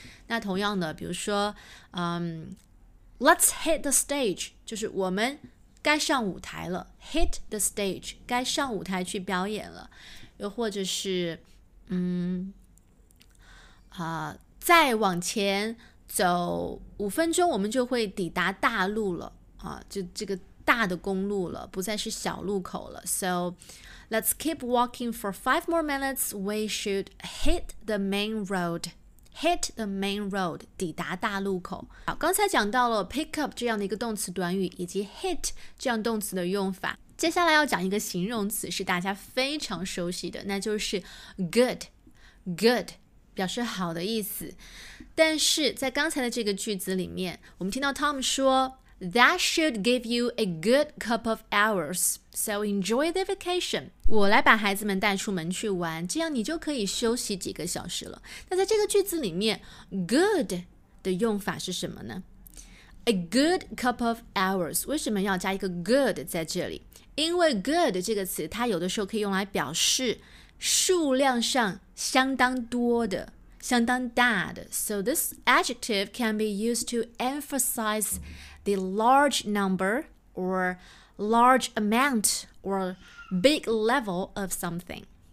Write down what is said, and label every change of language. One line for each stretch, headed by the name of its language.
Chinese: 那同样的比如说
English: let's hit the stage，
Chinese: 就是我们该上舞台了，
English: hit the stage，
Chinese: 该上舞台去表演了。又或者是再往前走五分钟我们就会抵达大路了，就这个大的公路了，不再是小路口了。
English: So let's keep walking for 5 more minutes, we should hit the main road. Hit the main road，
Chinese: 抵达大路口。好，刚才讲到了
English: pick up
Chinese: 这样的一个动词短语以及 hit 这样动词的用法，接下来要讲一个形容词是大家非常熟悉的，那就是 good。 good表示好的意思，但是在刚才的这个句子里面，我们听到 Tom 说
English: That should give you a good couple of hours, so enjoy the vacation.
Chinese: 我来把孩子们带出门去玩，这样你就可以休息几个小时了。那在这个句子里面 good 的用法是什么呢？
English: A good couple of hours
Chinese: 为什么要加一个 good 在这里？因为 good 这个词它有的时候可以用来表示数量上相当多的，相当大的。
English: So this adjective can be used to emphasize the large number or large amount or big level of something.